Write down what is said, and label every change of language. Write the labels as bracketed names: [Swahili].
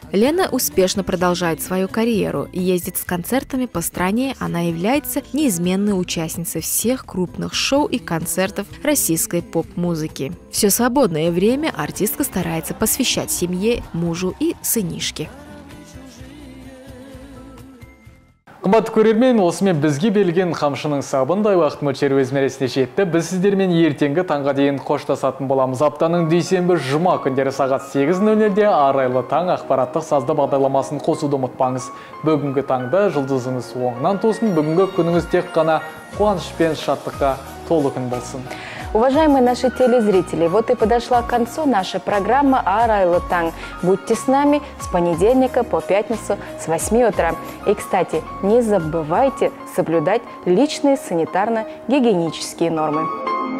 [Russian] Лена успешно продолжает свою карьеру, ездит с концертами по стране, она является неизменной участницей всех крупных шоу и концертов российской поп-музыки. Все свободное время артистка старается посвящать семье, мужу и сынишке. [Kazakh] Қымбатты көрермен, осымен бізге белген қамшының сабындай уақыт мөлшері өз мәресіне жетті. Біз сіздермен ертеңгі таңға дейін қоштасатын боламыз. Аптаның дүйсенбі жұма күндері сағат 8:00-де арайлы таң ақпараттық сазды бағдарламасын қосуды ұмытпаңыз. Бүгінгі таңда жұлдызыңыз оңынан тосын, бүгінгі күніңіз тек қана қуаныш пен шаттыққа толы күн болсын. [Russian] Уважаемые наши телезрители, вот и подошла к концу наша программа «Арайлы таң». Будьте с нами с понедельника по пятницу с 8 утра. И, кстати, не забывайте соблюдать личные санитарно-гигиенические нормы.